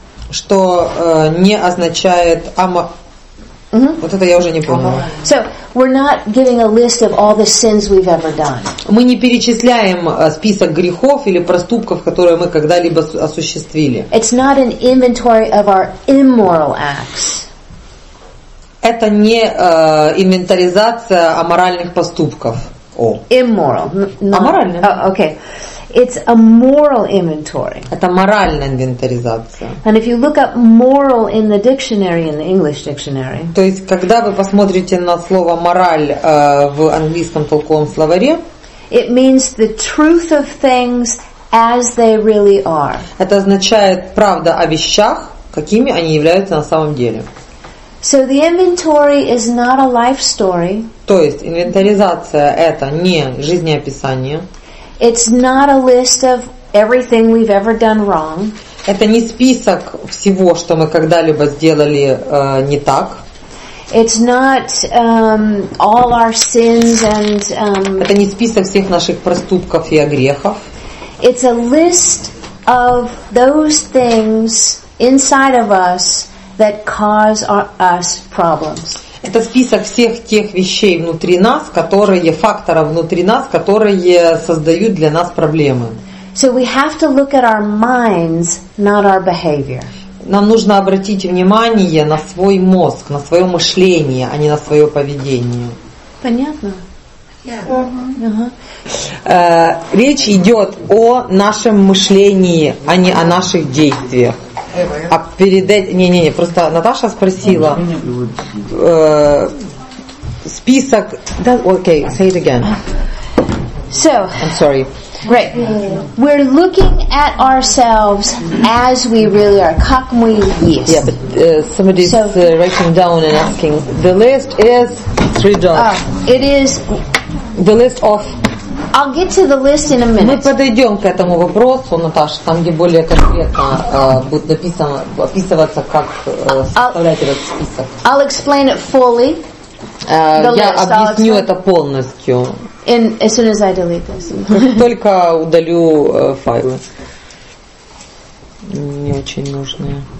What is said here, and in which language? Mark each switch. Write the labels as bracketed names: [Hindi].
[Russian] Что не означает Вот это я уже не поняла. [English] So we're not giving a list of all the sins we've ever done. [Russian] Мы не перечисляем список грехов или проступков, которые мы когда-либо осуществили. [English] It's not an inventory of our immoral acts. [Russian] Это не инвентаризация аморальных поступков. [English] Immoral. [Russian] Аморальные. [English] Okay. It's a moral inventory. [Russian] Это моральная инвентаризация. [English] And if you look up moral in the dictionary, in the English dictionary. [Russian] То есть, когда вы посмотрите на слово мораль в английском толковом словаре. [English] It means the truth of things as they really are. [Russian] Это означает правда о вещах, какими они являются на самом деле. [English] So the inventory is not a life story. [Russian] То есть, инвентаризация это не жизнеописание. [English] It's not a list of everything we've ever done wrong. [Russian] Это не список всего, что мы когда-либо сделали не так. [English] It's not all our sins and. [Russian] Это не список всех наших проступков и грехов. [English] It's a list of those things inside of us that cause us problems. [Russian] Это список всех тех вещей внутри нас, которые, факторов внутри нас, которые создают для нас проблемы. [English] So we have to look at our minds, not our behavior. [Russian] Нам нужно обратить внимание на свой мозг, на свое мышление, а не на свое поведение. Понятно? [English] Yeah. Uh-huh. [Russian] Речь идет о нашем мышлении, а не о наших действиях. А перед этим... Не-не-не, просто Наташа спросила. Список... [English] Okay, say it again. So, I'm sorry. Right. We're looking at ourselves as we really are. [Russian] Как мы есть. [English] Yeah, but somebody's writing down and asking. The list is... Three dots. It is... The list of... I'll get to the list in a minute. [Russian] Мы подойдем к этому вопросу, Наташа, там, где более конкретно будет написано, описываться, как составлять этот список. [English] I'll explain it fully. [Russian] Я объясню это полностью. [English] As soon as I delete this. [Russian] Только удалю файлы. Не очень нужные.